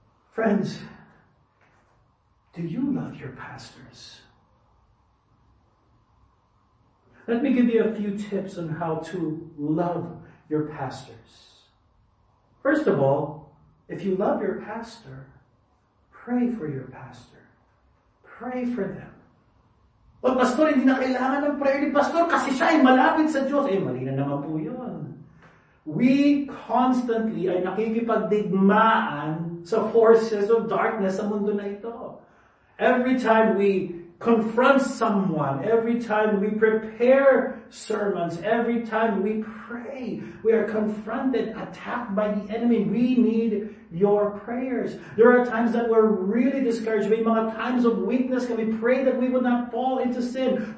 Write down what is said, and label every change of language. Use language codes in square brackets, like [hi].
[en] Friends, do you love your pastors? Let me give you a few tips on how to love your pastors. First of all, if you love your pastor, pray for your pastor. Pray for them. [tl] Well, pastor, hindi na kailangan ng prayer ni pastor kasi siya ay malapit sa Diyos. Eh, mali na naman po yun. We constantly ay nakikipagdigmaan sa forces of darkness sa mundo na ito. [en] Every time we confront someone, every time we prepare sermons, every time we pray, we are confronted, attacked by the enemy. We need your prayers. There are times that we're really discouraged. [tl] May mga [en] times of weakness. Can we pray that we would not fall into sin?